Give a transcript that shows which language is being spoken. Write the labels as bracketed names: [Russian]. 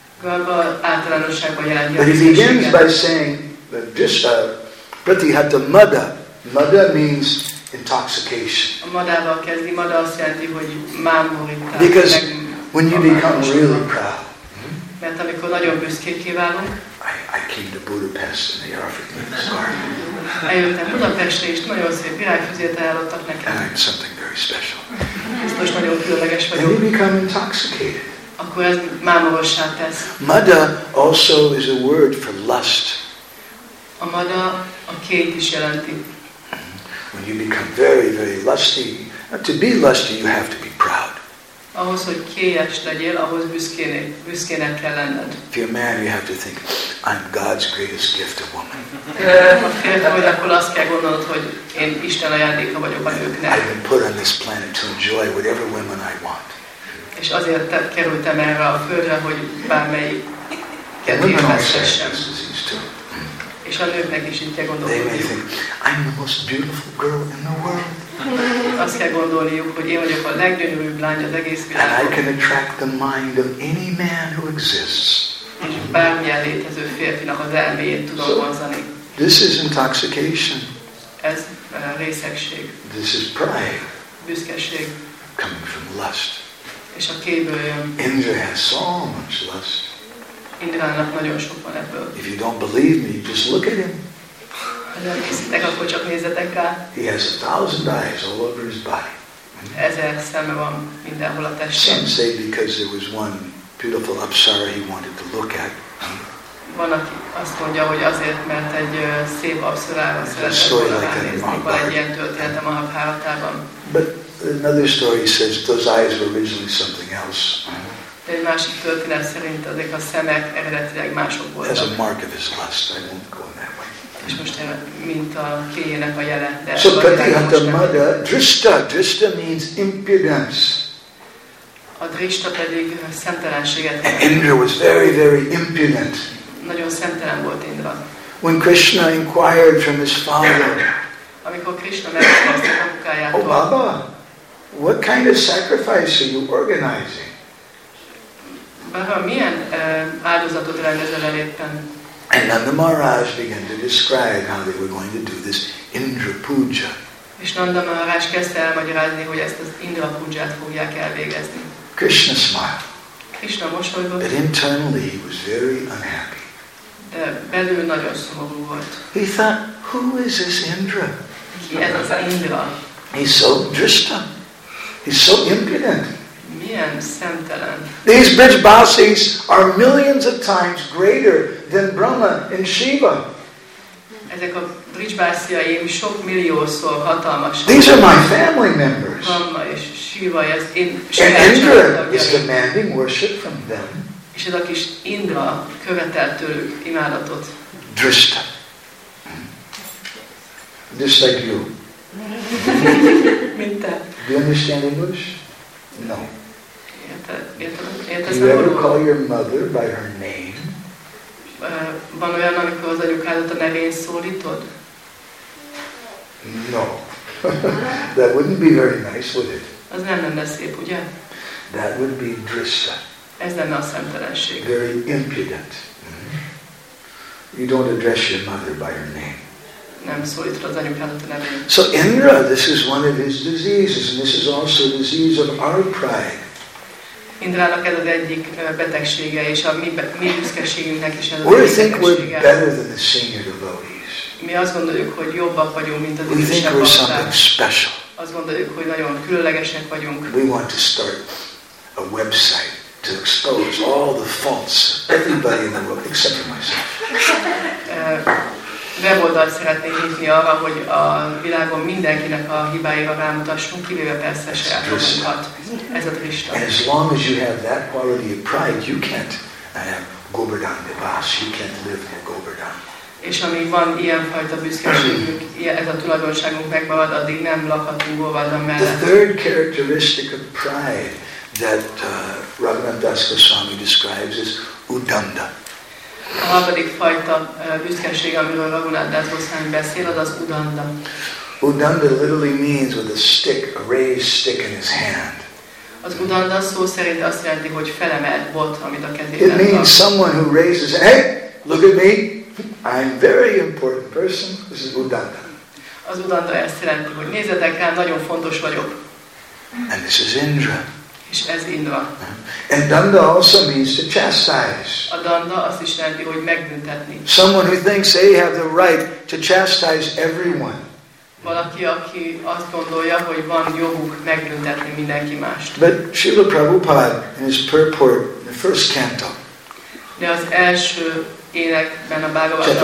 [English] But he begins by saying, but just a pratihata mada. Mada means intoxication. [Hungarian] A madával kezdi, mada azt jelenti, hogy mámorítás. [English] Because when you become really proud, [Hungarian] mert amikor nagyon büszkékké válunk, [English] I came to Budapest in the Afrikaans garden. [Hungarian] Eljöttem Budapestre, és nagyon szép virágfüzét ajánlottak nekem. [English] And I'm something very special. [Hungarian] Biztos nagyon különleges vagyok. [English] And you become intoxicated. [Hungarian] Akkor ez mámorossá tesz. [English] Mada also is a word for lust. [Hungarian] A mada a két is jelenti. [English] When you become very, very lusty, to be lusty, you have to be proud. [Hungarian] Ahhoz, hogy kélyes legyél, ahhoz büszkének kell lenned. [English] If you're a man, you have to think, I'm God's greatest gift to woman. [Hungarian] Ha férfi vagy, akkor azt kell gondolod, hogy én Isten ajándéka vagyok a nőknek. [English] I've been put on this planet to enjoy whatever women I want. [Hungarian] És azért kerültem erre a földre, hogy bármelyik kedvéhezhessem. És a nőknek is így kell gondolniuk. [English] I'm the most beautiful girl in the world. [Hungarian] Azt kell gondolniuk, hogy én vagyok a leggyönyörűbb lány az egész világon. [English] And I can attract the mind of any man who exists. [Hungarian] És bármilyen létező férfinak az elméjét tudom vonzani. [English] This is intoxication. [Hungarian] Ez részegség. [English] This is pride. [Hungarian] Büszkeség. [English] Coming from lust. [Hungarian] És a kéből jön. [English] Indra has so much lust. [Hungarian] Indránnak nagyon sok van ebből. [English] If you don't believe me, just look at him. He has 1,000 eyes all over his body. [Hungarian] Ezer szeme van mindenhol a testen. [English] Some say because there was one beautiful apsara he wanted to look at. [Hungarian] Van, aki azt mondja, hogy azért, mert egy szép apszurára szeretett volna ránézni, vagy ilyen történt a Mahabharatában. [English] But another story says those eyes were originally something else. [Hungarian] De egy másik történet szerint azok a szemek eredetileg mások voltak. [English] As a mark of his lust, I won't go on that way. [Hungarian] És most, mint a kéjének a jelente. [English] So Patihata Mada, drishta, drishta means impudence. [Hungarian] A drishta pedig szemtelenséget. [English] And Indra was very, very impudent. [Hungarian] Nagyon szemtelen volt Indra. [English] When Krishna inquired from his father, [Hungarian] amikor Krishna megkérdezte apukájától, [English] oh Baba, what kind of sacrifice are you organizing? [Hungarian] Baba, milyen áldozatot rendezel el éppen? [English] And Nanda Maharaj began to describe how they were going to do this Indra Puja. [Hungarian] És Nanda Maharaj kezdte elmagyarázni, hogy ezt az Indra Pujját fogják elvégezni. [English] Krishna smiled. [Hungarian] Krishna mosolygott. [English] But internally he was very unhappy. [Hungarian] De belül nagyon szomorú volt. [English] He thought, who is this Indra? [Hungarian] Ki ez az Indra? [English] He's so drishta. He's so impudent. [Hungarian] Milyen szemtelen. [English] These Brijbasis are millions of times greater than Brahma and Shiva. [Hungarian] Ezek a Brijbasiaim sok milliószor hatalmasabbak. [English] These are my family members. [Hungarian] Brahma és Shiva, ez én saját családtagjaim. [English] And Indra is demanding worship from them. [Hungarian] És ez a kis Indra követel tőlük imádatot. [English] Drishta. Just like you. [Hungarian] Mint te. [English] Do you understand English? No. [Hungarian] Érted? [English] Do you ever call your mother by her name? [Hungarian] Van olyan, amikor az anyukádat a nevén szólítod? [English] No. That wouldn't be very nice, would it? [Hungarian] Az nem lenne szép, ugye? [English] That would be drishta. [Hungarian] Ez lenne a szemtelenség. [English] Very impudent. You don't address your mother by her name. [Hungarian] Nem szólítod az anyukádat a nevén. [English] So Indra, this is one of his diseases, and this is also a disease of our pride. [Hungarian] Indrának ez az egyik betegsége, és a mi büszkeségünknek is ez az egyik betegsége. [English] We think we're better than the senior devotees. [Hungarian] Mi azt gondoljuk, hogy jobbak vagyunk, mint az idősebb bhaktak. [English] We think we're something special. [Hungarian] Azt gondoljuk, hogy nagyon különlegesek vagyunk. [English] We want to start a website to expose all the faults of everybody in the world, except for myself. [Hungarian] Weboldalt szeretnék nyitni arra, hogy a világon mindenkinek a hibáira rámutassunk, kivéve persze saját magunkat. Ez a drishta. [English] And as long as you have that quality of pride, you can't have Govardhan Nivas, you can't live in Govardhan. [Hungarian] És amíg van ilyenfajta büszkeségünk, ez a tulajdonságunk megmarad, addig nem lakhatunk Govardhan mellett. [English] The third characteristic of pride that Raghunath Das Goswami describes is udanda. [Hungarian] A harmadik fajta büszkeség, amiről Raghunath Das Goswami beszél, az udanda. [English] Udanda literally means with a stick, a raised stick in his hand. [Hungarian] Az udanda szó szerint azt jelenti, hogy felemelt bot, amit a kezében tart. [English] It means someone who raises, hey, look at me, I'm very important person. This is udanda. [Hungarian] Az udanda ezt jelenti, hogy nézzetek rám, nagyon fontos vagyok. [English] And this is Indra. [Hungarian] És ez Indra. [English] And danda also means to chastise. [Hungarian] A danda azt is jelenti, hogy megbüntetni. [English] Someone who thinks they have the right to chastise everyone. [Hungarian] Valaki, aki azt gondolja, hogy van joguk megbüntetni mindenki mást. [English] But Srila Prabhupada in his purport, the first canto. [Hungarian] De az első énekben a Bhagavatamban.